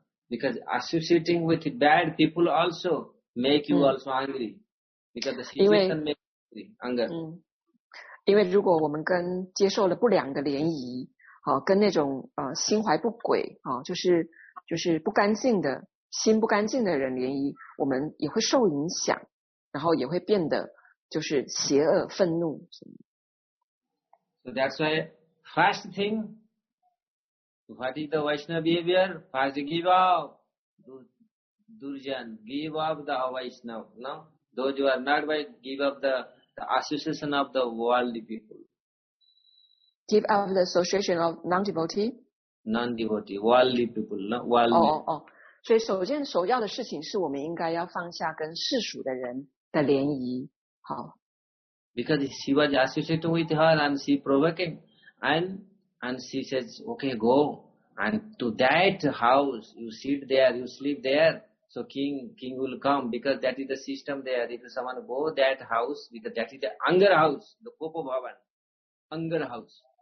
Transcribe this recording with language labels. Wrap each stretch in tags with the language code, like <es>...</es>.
<en>Because associating with bad people also make you also angry. Because the situation makes you angry.</en> <zh>因为如果我们跟接受了不良的联谊，跟那种心怀不轨，就是不干净的心不干净的人联谊，我们也会受影响，然后也会变得就是邪恶愤怒。</zh> <en>So that's why first thing, what is the Vaishnava behavior? First give up, Durjan, give up the Vaishnava, no? Those who are not by give up the association of the worldly people. Give up the association of non-devotee? Non-devotee, worldly people, worldly.</en> <zh>所以首先首要的事情是我们应该要放下跟世俗的人的联谊。好。</zh> <en>Because she was associated with her and she provoking. And she says, okay, go. And to that house, you sit there, you sleep there. So king will come because that is the system there. If someone go that house, because that is the anger house, the Kopa Bhavan, anger house.</en>